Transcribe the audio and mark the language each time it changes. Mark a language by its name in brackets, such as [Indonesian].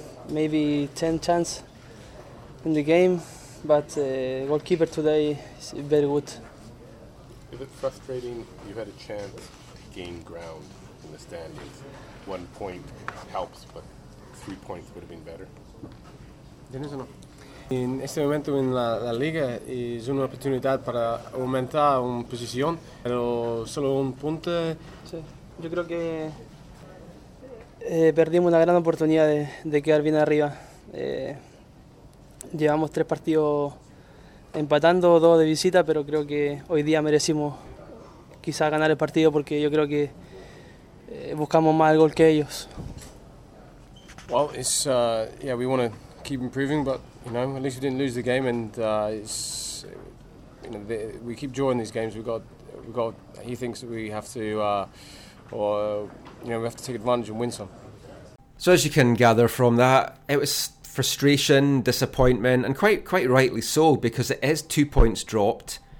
[English] Maybe 10 chance in the game, but goalkeeper today is very good. Is it frustrating you had a chance to gain ground in the standings? 1 point helps, but 3 points would have been better. [Spanish] ¿Tienes o no? En este momento en la liga es una oportunidad para aumentar una posición, pero solo un punto. Sí, yo creo que perdimos una gran oportunidad de quedar bien arriba. Llevamos 3 partidos empatando, 2 de visita, pero creo que hoy día merecimos quizá ganar el partido porque yo creo que buscamos más el gol que ellos. [English] Well, it's we want to keep improving, but you know, at least we didn't lose the game, and it's, you know, we keep drawing these games. We got. He thinks we have to, we have to take advantage and win some. So as you can gather from that, it was frustration, disappointment, and quite rightly so, because it is 2 points dropped.